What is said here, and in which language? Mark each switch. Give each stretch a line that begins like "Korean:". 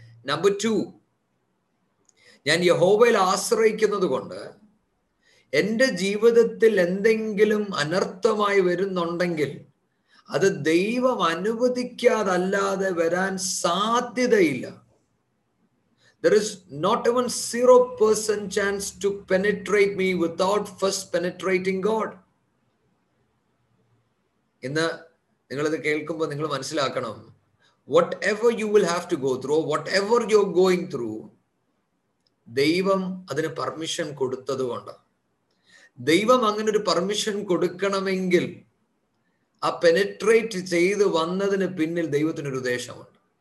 Malayalam: Number two, ഞാൻ യഹോവയിൽ ആശ്രയിക്കുന്നത് കൊണ്ട് എൻ്റെ ജീവിതത്തിൽ എന്തെങ്കിലും അനർത്ഥമായി വരുന്നുണ്ടെങ്കിൽ അത് ദൈവം അനുവദിക്കാതല്ലാതെ വരാൻ സാധ്യതയില്ല.
English: There is not even 0% chance to penetrate me without first penetrating God.
Malayalam: ഇന്നു നിങ്ങൾ ഇത് കേൾക്കുമ്പോൾ നിങ്ങൾ മനസ്സിലാക്കണം,
English: whatever you will have to go through, whatever you are going through,
Malayalam: ദൈവം അതിന് പെർമിഷൻ കൊടുത്തതുകൊണ്ട്. ദൈവം അങ്ങനെ ഒരു പെർമിഷൻ കൊടുക്കണമെങ്കിൽ ആ പെനട്രേറ്റ് ചെയ്ത് വന്നതിന് പിന്നിൽ ദൈവത്തിനൊരു ഉദ്ദേശമുണ്ട്.